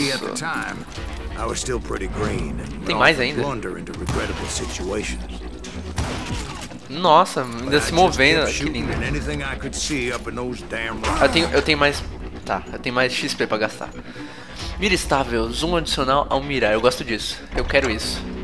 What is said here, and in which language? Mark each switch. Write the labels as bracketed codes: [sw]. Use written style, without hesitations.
[en] See, at the time, I was still pretty green and [pt] tem mais ainda. [en] Into regrettable situations. [pt] Nossa, ainda se movendo, que lindo. [en] Anything I could see up in those damn rocks. [pt] Eu tenho mais. Tá, eu tenho mais XP pra gastar. Mira estável, zoom adicional ao mirar. Eu gosto disso, eu quero isso.